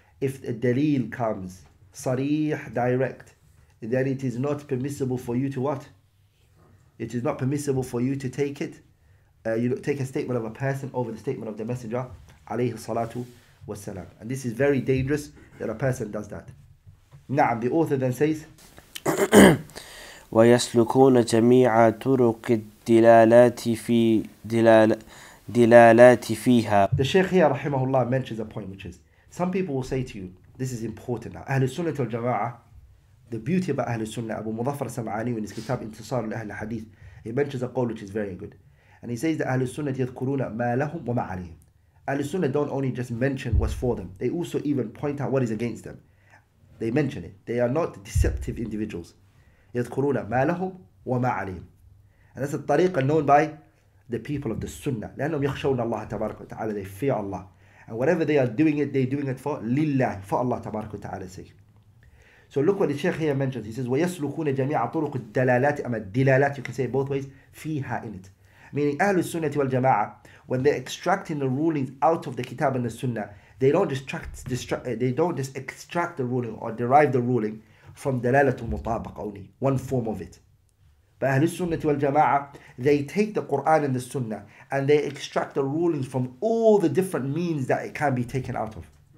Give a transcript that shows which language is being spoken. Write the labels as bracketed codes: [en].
[en] If a دليل comes, صريح, direct, then it is not permissible for you to what? It is not permissible for you to take it, take a statement of a person over the statement of the Messenger, عليه الصلاة والسلام. And this is very dangerous that a person does that. نعم, the author then says, [ar] ويسلكون جميع طرق الدلالات في دلالات فيها. [en] The Sheikh here, رحمه الله, mentions a point which is some people will say to you, this is important. [ar] أهل السنة والجماعة, [en] the beauty about [ar] أهل السنة, أبو مظفر السمعاني in his كتاب انتصار لأهل الحديث, he mentions a قول [en] which is very good, and he says that [ar] أهل السنة يذكرون ما لهم وما عليهم. [en] أهل السنة don't only just mention what's for them, they also even point out what is against them. They mention it. They are not deceptive individuals. [ar] يذكرون ما لهم وما عليهم. [en] And that's the tariqa known by the people of the sunnah. [ar] لأنهم يخشون الله تبارك وتعالى. [en] They fear Allah. And whatever they are doing it, they're doing it for لله. For Allah تبارك وتعالى sake. So look what the Sheikh here mentions. He says, [ar] ويسلكون جميع طرق الدلالات. [en] أما الدلالات, you can say both ways, فيها in it. Meaning أهل السنة والجماعة, when they're extracting the rulings out of the kitab and the sunnah, They don't just extract the ruling or derive the ruling from dalalat al-mutabaq only, one form of it. But Ahl al-Sunnah wal-Jama'ah, they take the Qur'an and the Sunnah and they extract the rulings from all the different means that it can be taken out of.